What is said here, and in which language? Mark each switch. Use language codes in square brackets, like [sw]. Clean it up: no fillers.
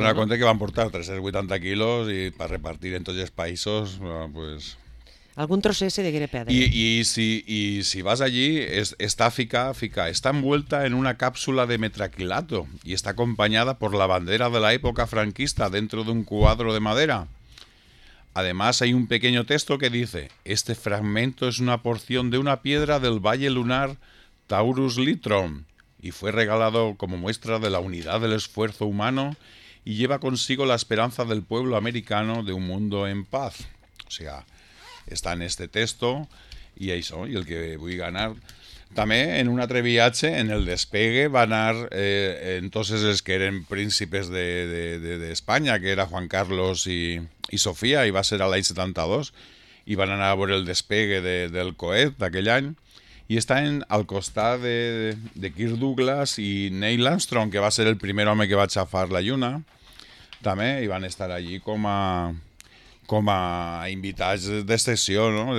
[ca] Tu dona compte que van portar 380 quilos i per repartir en tots els països, doncs... Algun trosset se degué de pedra. I si vas allí, està envuelta en una càpsula de metraquilato i està acompanyada per la bandera de l'època franquista dentro d'un quadro de madera. [es] Además, hay un pequeño texto que dice: este fragmento es una porción de una piedra del Valle Lunar Taurus Litrum y fue regalado como muestra de la unidad del esfuerzo humano y lleva consigo la esperanza del pueblo americano de un mundo en paz. O sea... [ca] està en este texto i això, i el que vull ganar. També en un altre viatge, en el despegue, va anar entonces els que eren príncipes d'Espanya, que era Juan Carlos i Sofia, i va ser a l'any 72, i van anar a veure el despegue del coet d'aquell any, i estan al costat de Kirk Douglas i Neil Armstrong, que va ser el primer home que va aixafar la lluna, també, i van estar allí com a invitats de sessió, no?